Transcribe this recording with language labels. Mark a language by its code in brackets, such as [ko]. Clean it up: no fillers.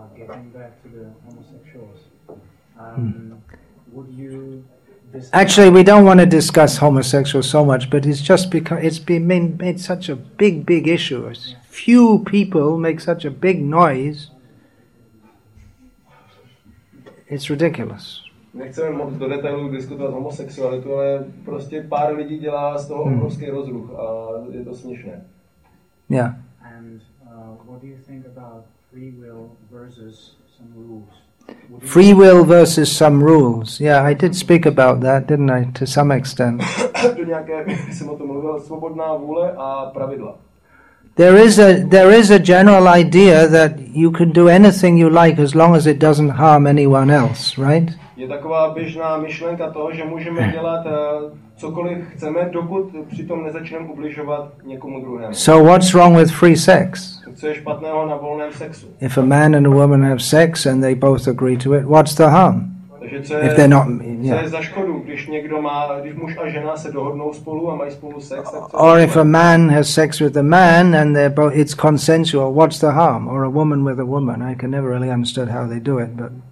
[en] giving birth to the homosexuals. Would you? Actually, we don't want to discuss homosexuals so much, but it's just because it's been made such a big issue. Few people make such a big noise. It's ridiculous. [cs] Nechceme moc do detailů diskutovat homosexualitu, ale prostě pár lidí dělá z toho obrovský rozruch a je to směšné. [en] Yeah. And what do you think about free will versus some rules? Free will versus some rules. Yeah, I did speak about that, didn't I, to some extent. [cs] Jsem o tom mluvil, svobodná vůle a pravidla. [en] There is a general idea that you can do anything you like as long as it doesn't harm anyone else, right? [cs] Je taková běžná myšlenka toho, že můžeme dělat cokoliv chceme, dokud přitom nezačneme ubližovat někomu druhému. [en] So what's wrong with free sex? [cs] Co je špatného na volném sexu? [en] If a man and a woman have sex and they both agree to it, what's the harm? [cs] Takže co je za škodu, když někdo má, když muž a žena se dohodnou spolu a mají spolu sex, tak [en] Or if a man has sex with a man and they're both, it's consensual, what's the harm? Or a woman with a woman, I can never really understand how they do it, but...